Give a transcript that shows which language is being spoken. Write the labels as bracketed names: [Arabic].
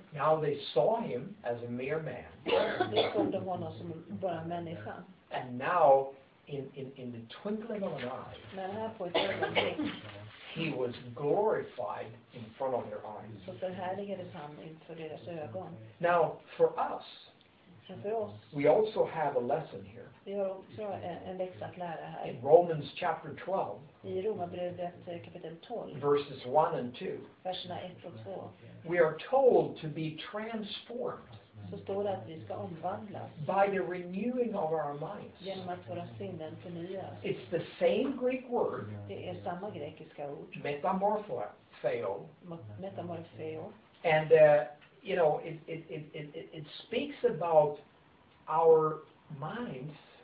[English] Now they saw him as a mere man. [Swedish] De såg honom som bara människa. [English] And now, in the twinkling of an eye. [Swedish] Men här på ett ögonblick. [English] He was glorified in front of their eyes. [Swedish] Så förhärligades han inför deras ögon. [English] Now for us. [Swedish] Men för oss. [English] We also have a lesson here. [Swedish] Vi har också en läxa att lära här. [English] In Romans chapter 12. [Swedish] I Romarbrevet kapitel 12. [English] Verses 1 and 2. [Swedish] Verserna 1 och 2. [English] We are told to be transformed. [Swedish] Så står det att vi ska omvandlas. [English] By the renewing of our minds. [Swedish] Genom att våra sinnen förnyas. [English] It's the same Greek word. [Swedish] Det är samma grekiska ord. [English] Metamorpho. [Swedish] Metamorpho. [English] And you know, it speaks about our minds.